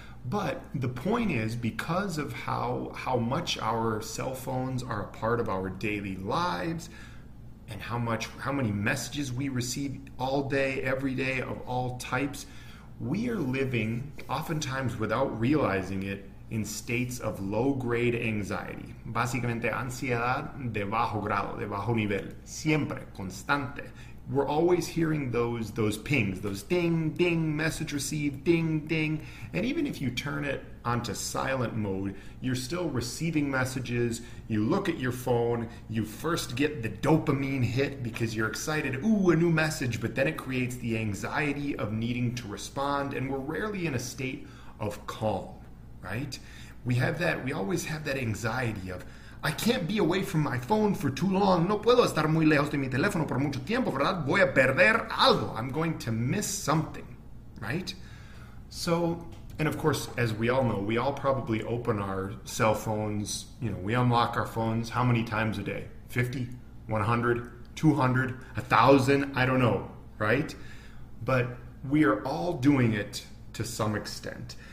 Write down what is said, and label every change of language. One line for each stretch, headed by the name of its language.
English: But the point is, because of how much our cell phones are a part of our daily lives and how many messages we receive all day, every day of all types, we are living, oftentimes without realizing it, in states of low-grade anxiety.
Spanish: Básicamente, ansiedad de bajo grado, de bajo nivel. Siempre, constante.
English: We're always hearing those pings, those ding, ding, message received, ding, ding. And even if you turn it onto silent mode, you're still receiving messages. You look at your phone, you first get the dopamine hit because you're excited, ooh, a new message, but then it creates the anxiety of needing to respond, and we're rarely in a state of calm, right? We always have that anxiety of, I can't be away from my phone for too long.
Spanish: No puedo estar muy lejos de mi teléfono por mucho tiempo, ¿verdad? Voy a perder algo.
English: I'm going to miss something, right? So, and of course, as we all know, we all probably open our cell phones, you know, we unlock our phones how many times a day? 50, 100, 200, 1,000? I don't know, right? But we are all doing it to some extent.